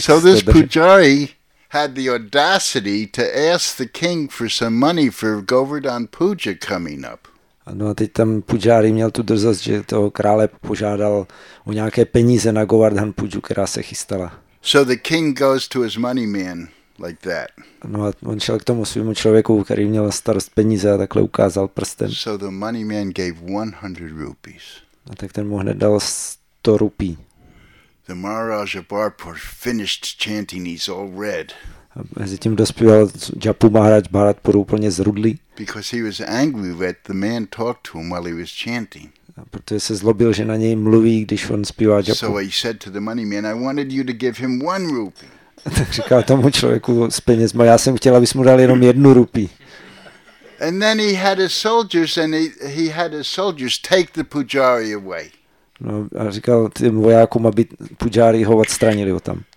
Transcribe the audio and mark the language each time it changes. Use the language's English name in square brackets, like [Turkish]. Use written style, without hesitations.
[English] so this pujari had the audacity to ask the king for some money for Govardhan Puja coming up. [Czech] No a teď tam pujari měl tu drzost, že toho krále požádal o nějaké peníze na Govardhan Puju, která se chystala. [English] So the king goes to his money man. Like that. [Czech] No a on šel k tomu svému člověku, který měl starost peníze a takhle ukázal prstem. [English] So the money man gave 100 rupees. [Czech] A tak ten mu hned dal 100 rupí. [English] The Maharaj of Bharatpur finished chanting, he's all red. [Czech] A mezi tím dospíval japu Maharaj Bharatpur úplně zrudlý. [English] Because he was angry that the man talked to him while he was chanting. [Czech] Protože se zlobil, že na něj mluví, když on zpívá japu. [English] So he said to the money man, I wanted you to give him 1 rupee. [Czech] Tak říkal tomu člověku s penězma, já jsem chtěl, abys mu dal jenom 1 rupí. [English] And then he had his soldiers and he had his soldiers take the pujari away. [Czech] No, a říkal těm vojákům, aby pujari ho odstranili ho tam.